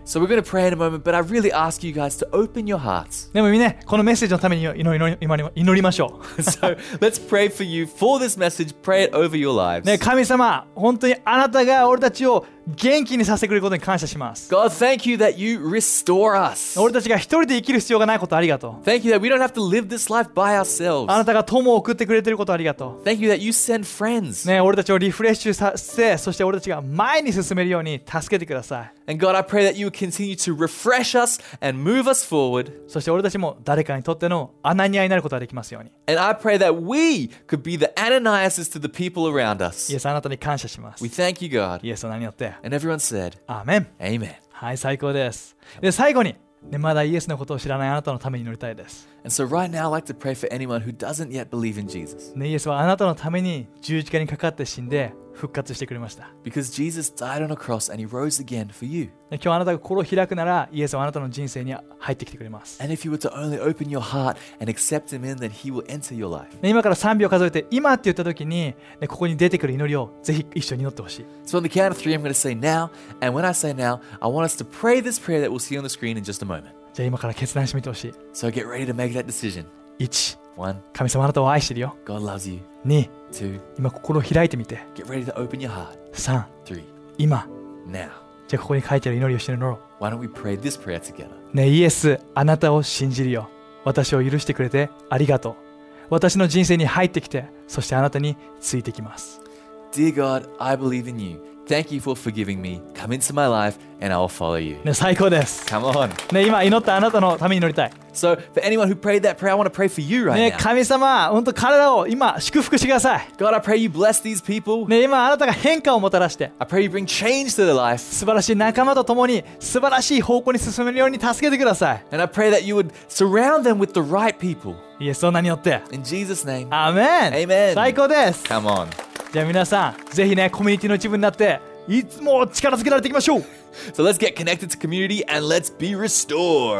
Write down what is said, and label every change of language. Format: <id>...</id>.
<en>So we're going to pray in a moment, but I really ask you guys to open your hearts.</en> <ja>でもみんな、このメッセージのために祈りましょう。</ja> <en>So let's pray for you for this message. Pray it over your lives.</en> <ja>ね、神様、本当にあなたが俺たちを元気にさせてくれることに感謝します。</ja> <en>God, thank you that you restore us.</en> <ja>俺たちが一人で生きる必要がないことありがとう。</ja> <en>Thank you that we don't have to live this life by ourselves.</en> <ja>あなたが友を送ってくれてることありがとう。</ja> <en>Thank you that you send friends.</en> <ja>ね、俺たちをリフレッシュさせ、そして俺たちが前に進めるように助けてください。</ja> <en>And God, I pray that you continue to refresh us and move us forward.</en> <ja>そして俺たちも誰かにとってのアナニアになることができますように。</ja> <en>And I pray that we could be the Ananias to the people around us.</en> <ja>イエス、あなたに感謝します。</ja> <en>We thank you, God.</en> <ja>イエス、何よって。</ja> <en>And everyone said, Amen. Amen.</en> <ja>はい、最高です。で、最後に、ね、まだイエスのことを知らないあなたのために祈りたいです。</ja> <en>And so right now, I'd like to pray for anyone who doesn't yet believe in Jesus.</en> <ja>ね、イエスはあなたのために十字架にかかって死んで復活してくれました。</ja> <en>Because Jesus died on a cross and he rose again for you.</en> <ja>今日あなたが心を開くなら、イエスはあなたの人生に入ってきてくれます。</ja> <en>And if you were to only open your heart and accept him in, then he will enter your life.</en> <ja>ね、今から3秒数えて、今って言った時に、ね、ここに出てくる祈りをぜひ一緒に祈ってほしい。</ja> <en>So on the count of three, I'm going to say now. And when I say now, I want us to pray this prayer that we'll see on the screen in just a moment.</en> <ja>じゃあ今から決断してみてほしい。</ja> <en>So get ready to make that decision. 1.</en> <ja>神様あなたを愛してるよ。</ja> <en>God loves you.</en> <ja>2.</ja> <en>2.</en> <ja>今心を開いてみて。</ja> <en>Get ready to open your heart.</en> <ja>3.</ja> <en>3.</en> <ja>今。</ja> <en>Now.</en> <ja>じゃあここに書いてある祈りをしてみろ。</ja> <en>Why don't we pray this prayer together?</en> <ja>ね、イエス、あなたを信じるよ。私を許してくれてありがとう。私の人生に入ってきて、そしてあなたについてきます。</ja> <en>Dear God, I believe in you. Thank you for forgiving me. Come into my life and I will follow you.</en> <ja>ね、最高です。</ja> <en>Come on.</en> <ja>ね、今祈ったあなたのために祈りたい。</ja> <en>So for anyone who prayed that prayer, I want to pray for you right now.</en> <ja>ね、神様、本当体を今祝福してください。</ja> <en>God, I pray you bless these people.</en> <ja>ね、今あなたが変化をもたらして。</ja> <en>I pray you bring change to their life.</en> <ja>素晴らしい仲間と共に素晴らしい方向に進めるように助けてください。</ja> <en>And I pray that you would surround them with the right people.</en> <ja>イエス様によって。</ja> <en>In Jesus' name. Amen. Amen.</en> <ja>最高です。</ja> <en>Come on.</en> <ja>じゃあ皆さん、ぜひね、コミュニティの一部になって、いつも力づけられていきましょう。</ja> <en>So let's get connected to community and let's be restored.</en>